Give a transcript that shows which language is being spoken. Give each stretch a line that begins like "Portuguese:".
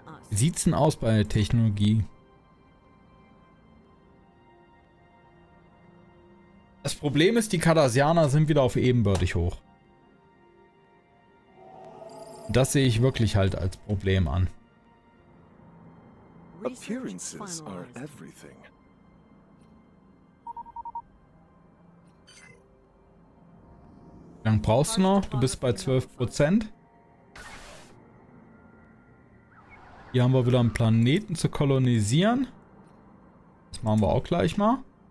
German: Wie sieht es denn aus bei der Technologie? Das Problem ist, die Cardassianer sind wieder auf ebenbürtig hoch. Das sehe ich wirklich halt als Problem an.
English: Appearances are everything.
German: Wie lange brauchst du noch? Du bist bei 12%. Hier haben wir wieder einen Planeten zu kolonisieren. Das machen wir auch gleich mal.